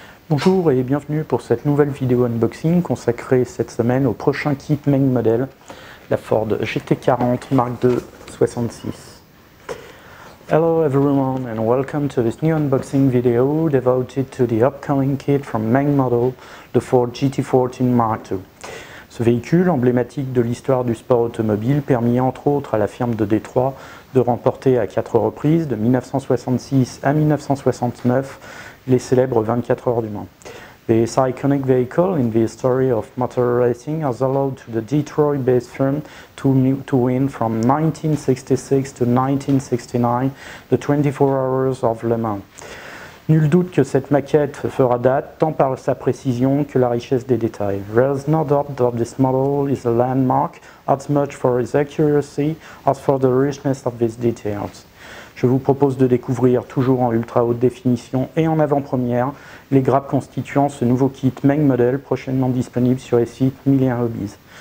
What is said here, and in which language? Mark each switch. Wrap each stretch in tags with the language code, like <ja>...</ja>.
<fr>Bonjour et bienvenue pour cette nouvelle vidéo unboxing consacrée cette semaine au prochain kit main model, la Ford GT40 Mark II 66.</fr> <en>Hello everyone and welcome to this new unboxing video devoted to the upcoming kit from main model, the Ford GT40 Mark II.</en> <fr>Ce véhicule, emblématique de l'histoire du sport automobile, permit entre autres à la firme de Détroit de remporter à 4 reprises, de 1966 à 1969, les célèbres 24 heures du Mans.</fr> <en>This iconic vehicle in the history of motor racing has allowed to the Detroit-based firm to win from 1966 to 1969 the 24 hours of Le Mans.</en> <fr>Nul doute que cette maquette fera date tant par sa précision que la richesse des détails.</fr> <en>There is no doubt that this model is a landmark as much for its accuracy as for the richness of its details.</en> <fr>Je vous propose de découvrir, toujours en ultra haute définition et en avant-première, les grappes constituant ce nouveau kit main model prochainement disponible sur les sites Millien Hobbies.</fr>